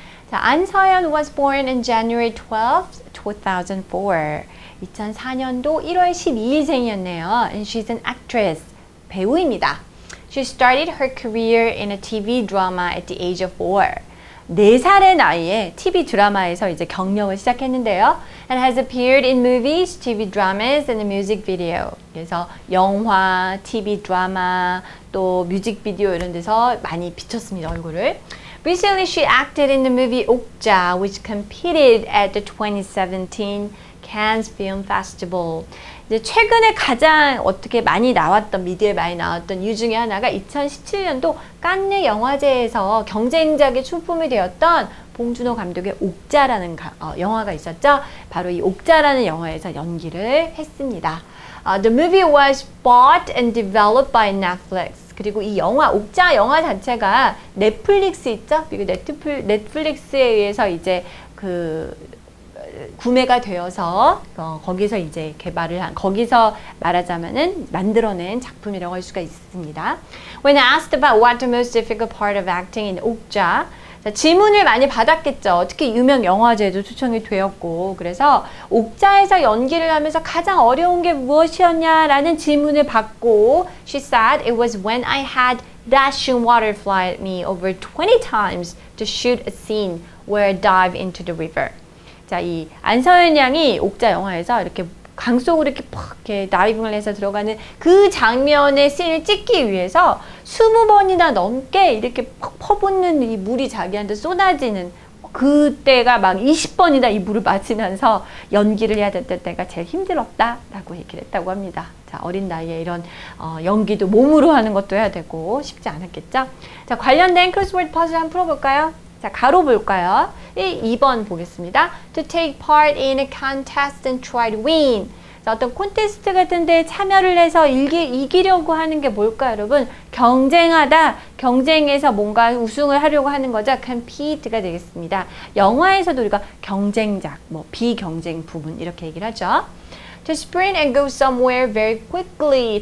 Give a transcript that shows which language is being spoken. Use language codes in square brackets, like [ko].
[en] 자, 안서연 was born in January 12, 2004. [ko] 2004년도 1월 12일생이었네요. [en] And she's an actress, [ko] 배우입니다. [en] She started her career in a TV drama at the age of 4. [ko] 4살의 나이에 TV 드라마에서 이제 경력을 시작했는데요. [en] And has appeared in movies, TV dramas, and a music video. [ko] 그래서 영화, TV 드라마, 또 뮤직비디오 이런 데서 많이 비쳤습니다, 얼굴을. [en] Recently, she acted in the movie 옥자, which competed at the 2017 Cannes Film Festival. [ko] 이제 최근에 가장 어떻게 많이 나왔던, 미디어에 많이 나왔던 이유 중에 하나가 2017년도 깐네 영화제에서 경쟁작의 출품이 되었던 봉준호 감독의 옥자라는 영화가 있었죠. 바로 이 옥자라는 영화에서 연기를 했습니다. [en] The movie was bought and developed by Netflix. [ko] 그리고 이 영화, 옥자 영화 자체가 넷플릭스 있죠? 그리고 넷플릭스에 의해서 이제 그 구매가 되어서 거기서 이제 개발을 한, 거기서 말하자면은 만들어낸 작품이라고 할 수가 있습니다. [en] When asked about what the most difficult part of acting in 옥자, [ko] 자, 질문을 많이 받았겠죠. 특히 유명 영화제도 초청이 되었고, 그래서 옥자에서 연기를 하면서 가장 어려운 게 무엇이었냐라는 질문을 받고, [en] she said it was when I had dashing water fly at me over 20 times to shoot a scene where I dive into the river. [ko] 자, 이 안서연 양이 옥자 영화에서 이렇게 강속으로 이렇게 팍 이렇게 다이빙을 해서 들어가는 그 장면의 씬을 찍기 위해서 20번이나 넘게 이렇게 팍 퍼붓는 이 물이 자기한테 쏟아지는 그때가 막 20번이나 이 물을 맞으면서 연기를 해야 될 때가 제일 힘들었다 라고 얘기를 했다고 합니다. 자, 어린 나이에 이런 연기도 몸으로 하는 것도 해야 되고 쉽지 않았겠죠? 자, 관련된 크로스워드 퍼즐 한번 풀어볼까요? 자, 가로 볼까요? 2번 보겠습니다. [en] To take part in a contest and try to win. [ko] 자, 어떤 콘테스트 같은 데 참여를 해서 이기려고 하는 게 뭘까요, 여러분? 경쟁하다, 경쟁해서 뭔가 우승을 하려고 하는 거죠. Compete가 되겠습니다. 영화에서도 우리가 경쟁작, 뭐 비경쟁 부분 이렇게 얘기를 하죠. [en] To sprint and go somewhere very quickly.